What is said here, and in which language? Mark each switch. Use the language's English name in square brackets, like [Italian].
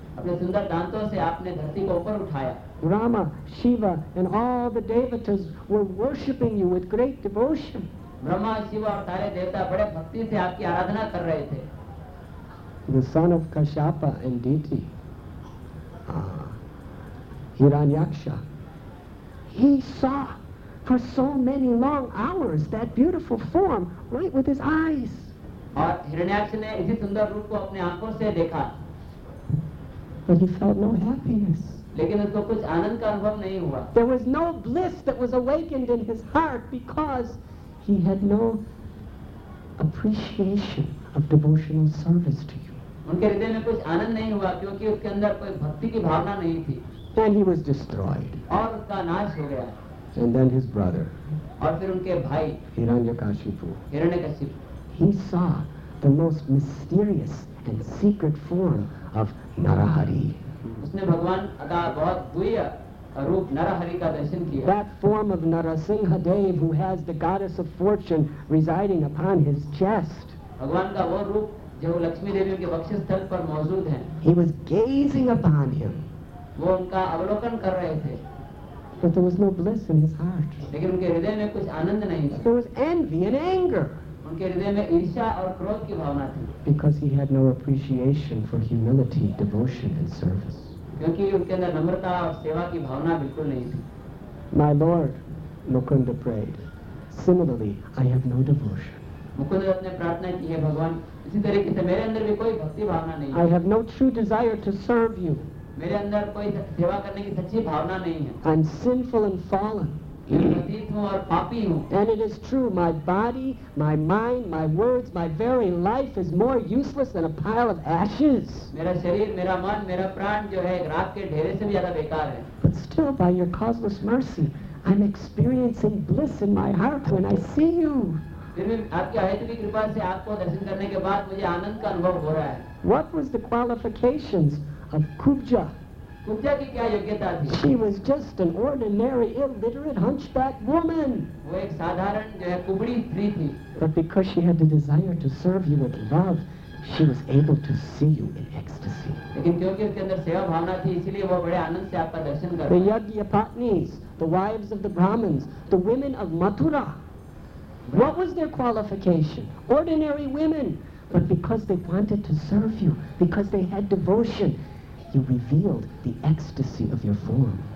[Hindi] अपने सुंदर दांतों से आपने धरती को ऊपर उठाया. [English] Rama, Shiva, and all the devatas were worshipping you with great devotion. [Hindi] Brahma, Shiv और सारे देवता बड़े भक्ति से आपकी आराधना कर रहे थे. [English] The son of Kashyapa and Diti, Hiranyaksha. He saw for so many long hours that beautiful form right with his eyes. [Hindi] और हिरण्याक्ष ने इसी सुंदर रूप को अपने आंखों से देखा. [English] But he felt no happiness. [Hindi] लेकिन उसको कुछ आनंद का अनुभव नहीं हुआ. [English] There was no bliss that was awakened in his heart because he had no appreciation of devotional service to you. [Hindi] उनके हृदय में कुछ आनंद नहीं हुआ क्योंकि उसके अंदर कोई भक्ति की भावना नहीं थी. [English] Then he was destroyed. [Hindi] और उसका नाश हो गया. [English] And then his brother. [Hindi] और फिर उनके भाई. [English] Hiranyakashipu. [Hindi] Hiranyakashipu. [English] He saw the most mysterious and secret form of Narahari. [Hindi] उसने भगवान का बहुत द्विय रूप नरहरि का दर्शन किया. [English] That form of Narasimhadev who has the goddess of fortune residing upon his chest. [Hindi] भगवान का वो रूप जब वो लक्ष्मी देवी के वक्ष स्थल पर मौजूद हैं, [English] he was gazing upon him. [Hindi] वो उनका अवलोकन कर रहे थे. [English] But there was no bliss in his heart. [Hindi] लेकिन उनके हृदय में कुछ आनंद नहीं था. [English] There was envy and anger. [Hindi] उनके हृदय में ईर्ष्या और क्रोध की भावना थी. [English] Because he had no appreciation for humility, devotion, and service. [Hindi] क्योंकि उनके अंदर नम्रता और सेवा की भावना बिल्कुल नहीं थी. [English] My Lord, Mukunda prayed. Similarly, I have no devotion. [Hindi] Mukund ने प्रार्थना की है, भगवान इसी तरीके से मेरे अंदर भी कोई भक्ति भावना नहीं है. [English] I have no true desire to serve you. [Hindi] मेरे अंदर कोई सेवा करने की सच्ची भावना नहीं है. [English] I'm sinful and fallen. And it is true, my body, my mind, my words, my very life is more useless than a pile of ashes. [Hindi] मेरा शरीर, मेरा मन, मेरा प्राण जो है राख के ढेर से भी ज्यादा बेकार है. [English] But still, by your causeless mercy, I'm experiencing bliss in my heart when I see you. [Hindi] फिर भी आपकी अहैतुकी कृपा से आपको दर्शन करने के बाद मुझे आनंद का अनुभव हो रहा है. [English] What was the qualifications of Kubja? [Hindi] Kubja की क्या योग्यता थी? [English] She was just an ordinary, illiterate, hunchback woman. [Hindi] वो एक साधारण जो है कुबड़ी स्त्री थी. [English] But because she had the desire to serve you with love, she was able to see you in ecstasy. [Hindi] लेकिन क्योंकि उसके अंदर सेवा भावना थी, इसलिए वो बड़े आनंद से आपका दर्शन कर. [English] The yajnapatnis, the wives of the brahmins, the women of Mathura. What was their qualification? Ordinary women, but because they wanted to serve you, because they had devotion. You revealed the ecstasy of your form.